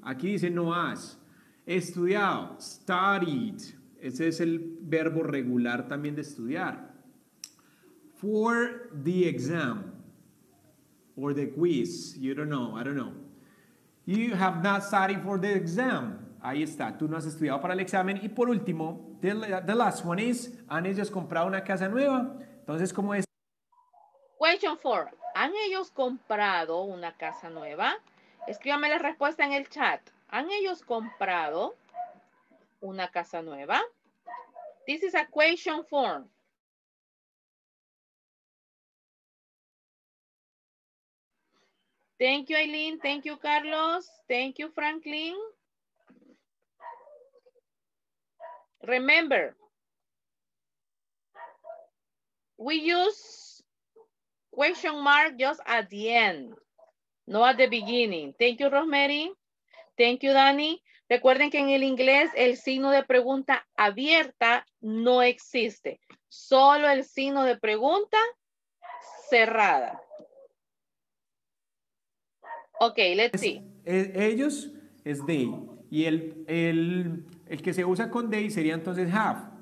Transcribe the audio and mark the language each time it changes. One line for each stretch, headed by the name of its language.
Spanish: Aquí dice no has, estudiado, studied, ese es el verbo regular también de estudiar.
English: For the exam, or the quiz, you don't know, I don't know. You have not studied for the exam.
Spanish: Ahí está, tú no has estudiado para el examen. Y por último,
English: the last one is,
Spanish: ¿han ellos comprado una casa nueva? Entonces, ¿cómo es?
English: Question four,
Spanish: ¿han ellos comprado una casa nueva? Escríbame la respuesta en el chat. ¿Han ellos comprado una casa nueva?
English: This is a question form. Thank you, Aileen. Thank you, Carlos. Thank you, Franklin. Remember, we use question mark just at the end, not at the beginning. Thank you, Rosemary. Thank you, Dani.
Spanish: Recuerden que en el inglés el signo de pregunta abierta no existe. Solo el signo de pregunta cerrada.
English: Ok, let's see.
Spanish: Ellos es they. Y el que se usa con they sería entonces have.